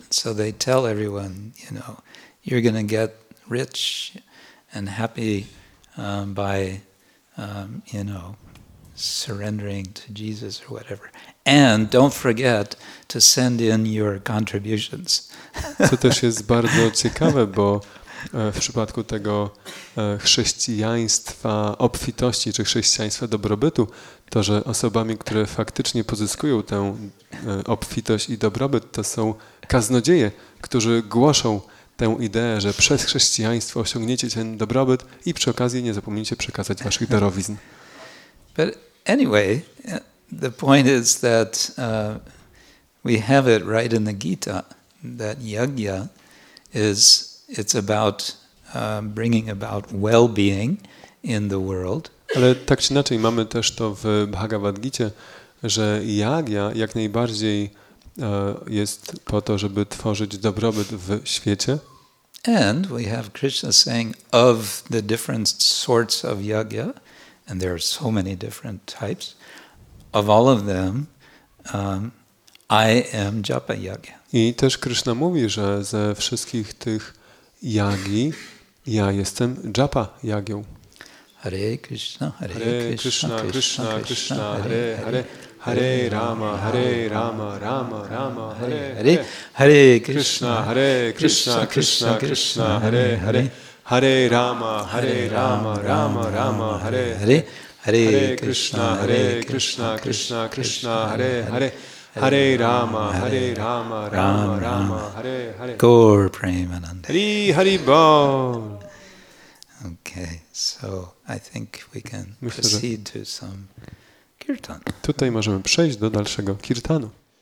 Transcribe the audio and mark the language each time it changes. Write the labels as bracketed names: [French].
[English] So they tell everyone, you know, you're going to get rich and happy by, you know, surrendering to Jesus or whatever. And don't forget to send in your contributions. [Polish] To też jest bardzo ciekawe, bo w przypadku tego chrześcijaństwa obfitości czy chrześcijaństwa dobrobytu, to że osobami, które faktycznie pozyskują tę obfitość i dobrobyt, to są kaznodzieje, którzy głoszą tę ideę, że przez chrześcijaństwo osiągniecie ten dobrobyt i przy okazji nie zapomnijcie przekazać waszych darowizn. [English] But anyway, the point is that we have it right in the Gita that yagya is, it's about bringing about well-being in the world. [Polish] Ale tak czy inaczej mamy też to w Bhagavad Gita, że jagya jak najbardziej jest po to, żeby tworzyć dobrobyt w świecie. [English] And we have Krishna saying of the different sorts of yagya, and there are so many different types, of all of them, I am japa yagya. [Polish] I też Krishna mówi, że ze wszystkich tych jagi ja jestem japa yagią. [Sanskrit] Hare Krishna, Hare Krishna, Krishna Krishna, Hare Hare. Hare Rama, Hare Rama, Rama Rama, Hare Hare. Hare Krishna, Hare Krishna, Krishna Krishna, Hare Hare. Hare Rama, Hare Rama, Rama Rama, Hare Hare. Hare Krishna, Hare Krishna, Krishna Krishna, Hare Hare. Hare Rama, Hare Rama, Rama Rama, Hare Hare. Gaur Premanand. Hari Hari Bol. [English] Okay, so I think we can proceed to some kirtan. [Polish] Tutaj możemy przejść do dalszego kirtanu.